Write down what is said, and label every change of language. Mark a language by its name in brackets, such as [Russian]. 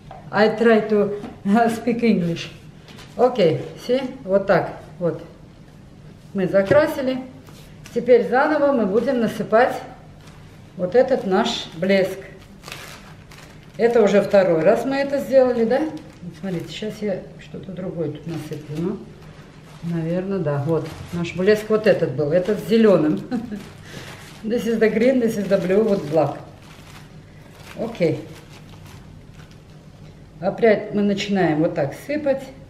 [English] I try to speak English. [Russian] Окей, [English] see? [Russian] Вот так. Вот. Мы закрасили. Теперь заново мы будем насыпать вот этот наш блеск. Это уже второй раз мы это сделали, да? Вот смотрите, сейчас я что-то другое тут насыплю. Ну, наверное, да. Вот. Наш блеск вот этот был. Этот с зеленым. [English] This is the green, this is the blue, вот black. [Russian] Окей. Опять мы начинаем вот так сыпать.